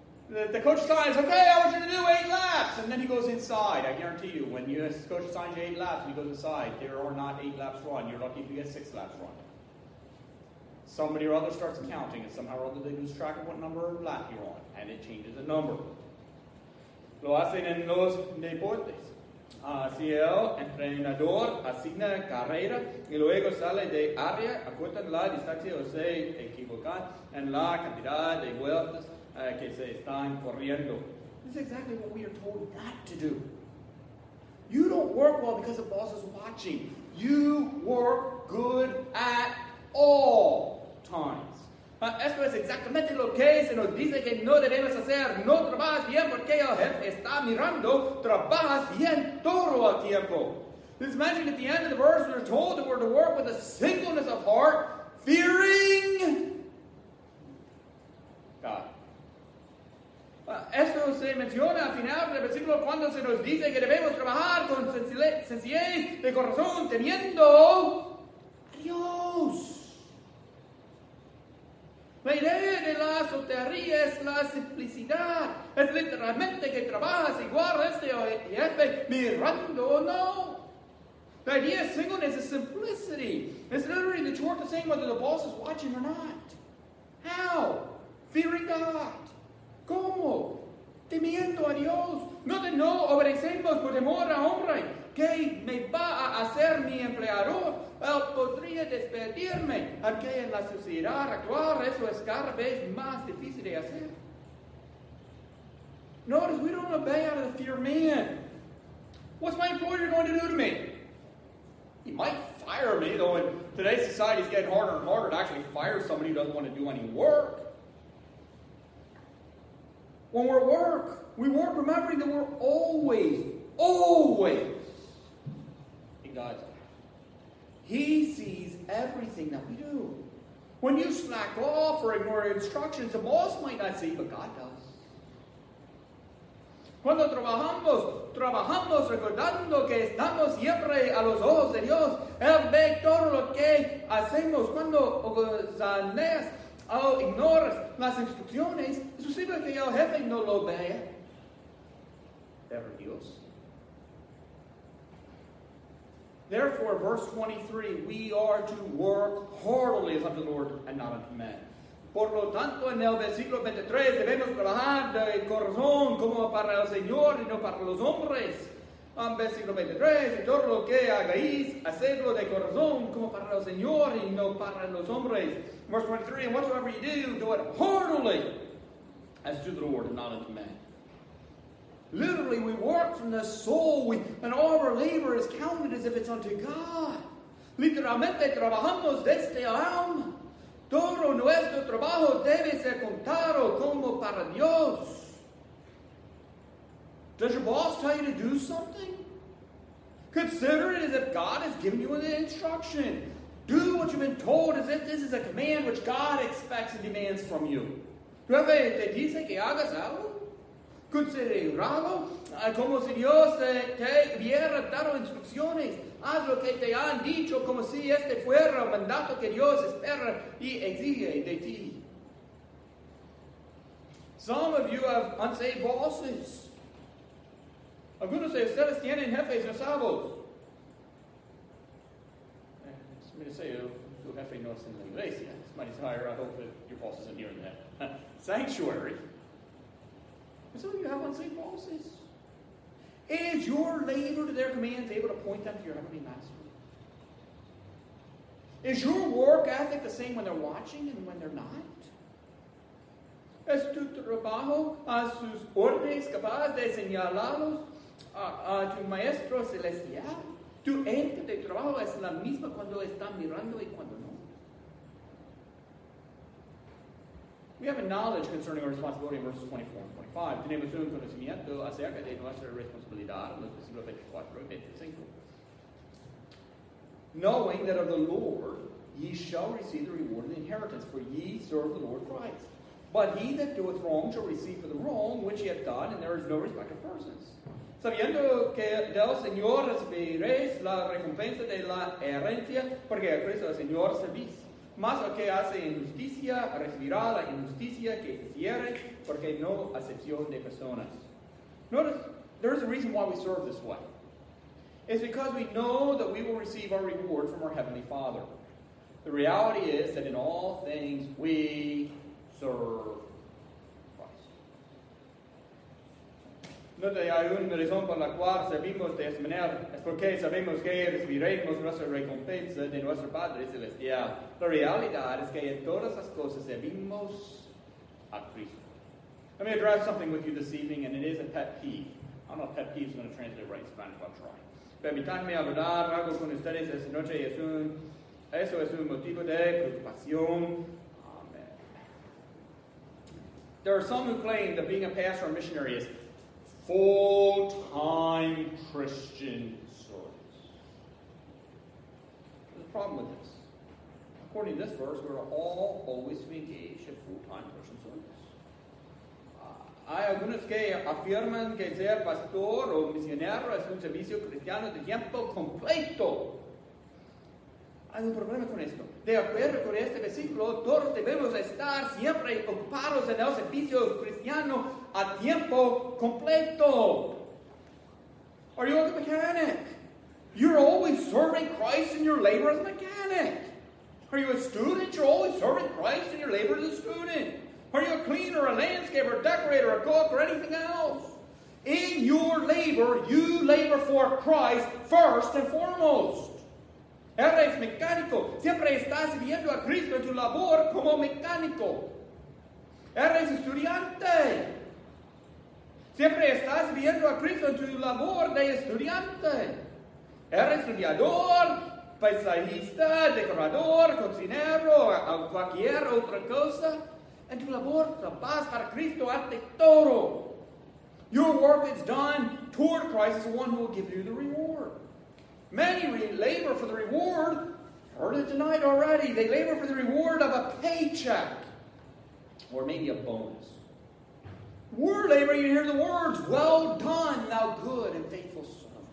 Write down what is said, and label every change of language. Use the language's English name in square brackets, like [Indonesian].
[English] The coach signs, okay, I want you to do 8 laps. And then he goes inside. I guarantee you, when you coach signs you 8 laps and he goes inside, there are not 8 laps run. You're lucky if you get 6 laps run. Somebody or other starts counting, and somehow or other they lose track of what number of lap you're on, and it changes the number. [Spanish] Lo hacen en los deportes. Si el entrenador asigna carrera y luego sale de área, acortan la distancia o se equivocan en la cantidad de vueltas que se están corriendo. [English] This is exactly what we are told not to do. You don't work well because the boss is watching. You work good at all times. [Spanish] Esto es exactamente lo que se nos dice que no debemos hacer. No trabajas bien porque el jefe está mirando. Trabajas bien todo el tiempo. [English] Just imagine at the end of the verse we're told that we're to work with a singleness of heart, fearing God. [Spanish] Esto se menciona al final del versículo cuando se nos dice que debemos trabajar con sencillez de corazón, temiendo a Dios. La idea de la soltería es la simplicidad. Es literalmente que trabajas igual este jefe mirando o no. [English] The idea of singleness is simplicity. It's literally that you work the same whether the boss is watching or not. How? Fearing God. [Spanish] ¿Cómo? Temiendo a Dios. No de no obedecemos por temor a hombre. ¿Qué me va a hacer mi empleador? Él podría despedirme, aunque en la sociedad actual eso es cada vez más difícil de hacer. [English] Notice, we don't obey out of the fear of man. What's my employer going to do to me? He might fire. fire me, though in today's society it's getting harder and harder to actually fire somebody who doesn't want to do any work. When we're at work, we work remembering that we're always, always in God's eye. He sees everything that we do. When you slack off or ignore instructions, the boss might not see, but God does. [Spanish] Cuando trabajamos, trabajamos recordando que estamos siempre a los ojos de Dios. Él ve todo lo que hacemos. Cuando gozaneas o ignoras las instrucciones, es posible que el jefe no lo vea. Pero Dios. [English] Therefore, verse 23, we are to work heartily as unto the Lord and not unto men. [Spanish] Por lo tanto, en el versículo 23, debemos trabajar de corazón como para el Señor y no para los hombres. En versículo 23, todo lo que hagáis, hacedlo de corazón como para el Señor y no para los hombres. [English] Verse 23, and whatsoever you do it heartily as to the Lord and not unto men. Literally, we work from the soul, and all our labor is counted as if it's unto God. [Spanish] Literalmente, trabajamos desde el alma. Todo nuestro trabajo debe ser contado como para Dios. [English] Does your boss tell you to do something? Consider it as if God has given you an instruction. Do what you've been told as if this is a command which God expects and demands from you. [Spanish] ¿Tu jefe te dice que hagas algo? Considerado como si Dios te hubiera dado instrucciones. Haz lo que te han dicho como si este fuera el mandato que Dios espera y exige de ti. [English] Some of you have unsaved bosses. [Spanish] Algunos de ustedes tienen jefes no salvos. [English] Somebody say, [Spanish] tu jefe no es en la iglesia. [English] Somebody say, I hope that your boss isn't hearing that. Sanctuary. Some of you have unsaved bosses. Is your labor to their commands able to point them to your heavenly master? Is your work ethic the same when they're watching and when they're not? [Spanish] ¿Es tu trabajo a sus órdenes capaz de señalarlos a tu maestro celestial? ¿Tu ente de trabajo es la misma cuando están mirando y cuando no? [English] We have a knowledge concerning our responsibility in verses 24 and 25. [Spanish] Tenemos un conocimiento acerca de nuestra responsabilidad en los versículos 24 y 25. [English] Knowing that of the Lord ye shall receive the reward of the inheritance, for ye serve the Lord Christ. But he that doeth wrong shall receive for the wrong which he hath done, and there is no respect of persons. [Spanish] Sabiendo que del Señor recibiréis la recompensa de la herencia, porque a Cristo el Señor servís. Mas el que hace injusticia recibirá la injusticia que hiciere, porque no acepción de personas. [English] Notice, there is a reason why we serve this way. It's because we know that we will receive our reward from our Heavenly Father. The reality is that in all things we serve Christ. [Spanish] Note hay una razón por la cual servimos de esa manera. Es porque sabemos que recibiremos nuestra recompensa de nuestro Padre Celestial. La realidad es que en todas las cosas servimos a Cristo. [English] Let me address something with you this evening, and it is a pet peeve. I don't know if pet peeve is going to translate right in Spanish, but I'm trying. [Spanish] Permítanme abordar algo con ustedes esta noche. Eso es un motivo de preocupación. [English] Amen. There are some who claim that being a pastor or missionary is full-time Christian service. There's a problem with this. According to this verse, we are all always to be engaged in full-time Christian service. [Spanish] Hay algunos que afirman que ser pastor o misionero es un servicio cristiano de tiempo completo. Hay un problema con esto. De acuerdo con este versículo, todos debemos estar siempre ocupados en el servicio cristiano a tiempo completo. [English] Are you a mechanic? You're always serving Christ in your labor as a mechanic. Are you a student? You're always serving Christ in your labor as a student. Are you a cleaner, a landscaper, a decorator, a cook, or anything else? In your labor, you labor for Christ first and foremost. [Spanish] Eres mecánico. Siempre estás sirviendo a Cristo en tu labor como mecánico. Eres estudiante. Siempre estás sirviendo a Cristo en tu labor de estudiante. Eres estudiador. paisajista, decorador, cocinero, o cualquier otra cosa. En tu labor trabajas para Cristo ante todo. [English] Your work is done toward Christ as the one who will give you the reward. Many labor for the reward. Heard it tonight already. They labor for the reward of a paycheck. Or maybe a bonus. Word labor, you hear the words, well done, thou good and faithful servant.